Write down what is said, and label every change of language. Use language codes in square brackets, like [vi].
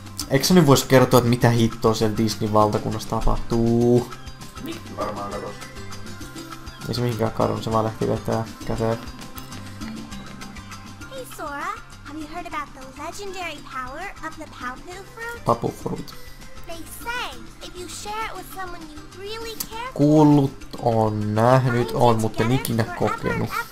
[fi] Eikö sä nyt vois kertoa, että mitä hittoa siellä Disney-valtakunnassa tapahtuu? Mikki varmaan katos. Ei se mihinkään kadonnut, se vaan lähti vetää käteen. [en] Hey Sora, have you heard about the legendary power of the Pawpaw Fruit? Pawpaw Fruit. They say if you share it with someone you really care for. [fi] Kuullut on, nähnyt on, mutta en ikinä kokenut.